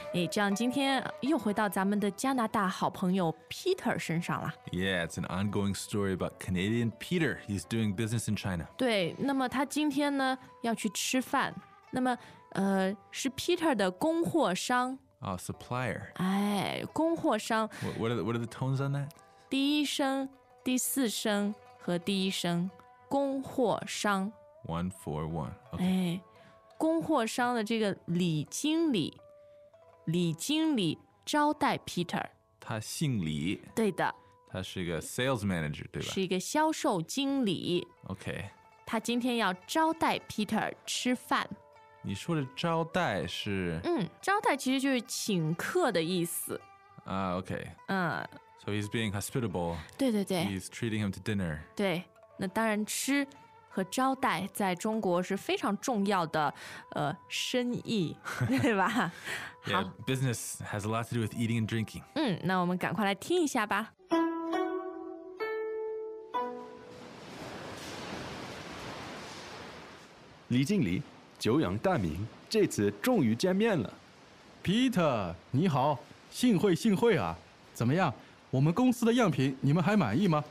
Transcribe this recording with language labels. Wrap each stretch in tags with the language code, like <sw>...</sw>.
<zh>Hey, John, 今天又回到咱们的加拿大好朋友 Peter 身上了。</zh> <en>Yeah, it's an ongoing story about Canadian Peter. He's doing business in China.</en> <zh>对，那么他今天呢，要去吃饭。那么，是 Peter 的供货商。</zh> <en>Oh, supplier.</en> <zh>哎，供货商。</zh> <en>What are the tones on that?</en> <zh>第一声、第四声和第一声，供货商。</zh> <en>1, 4, 1. Okay.</en> <zh>哎，供货商的这个李经理，李经理招待 Peter。他姓李。对的。他是一个 sales manager, 对吧？是一个销售经理。</zh> <en>Okay.</en> <zh>他今天要招待 Peter 吃饭。你说的招待是？招待其实就是请客的意思。</zh> <en>Okay. So he's being hospitable.</en> <zh>对对对。</zh> <en>He's treating him to dinner.</en> <zh>对，那当然吃和招待在中国是非常重要的生意，对吧？</zh> <en>Yeah, business has a lot to do with eating and drinking.</en> <zh>那我们赶快来听一下吧。李经理。久仰大名，这次终于见面了。 Peter, 你好，幸会幸会啊。怎么样，我们公司的样品你们还满意吗？</zh>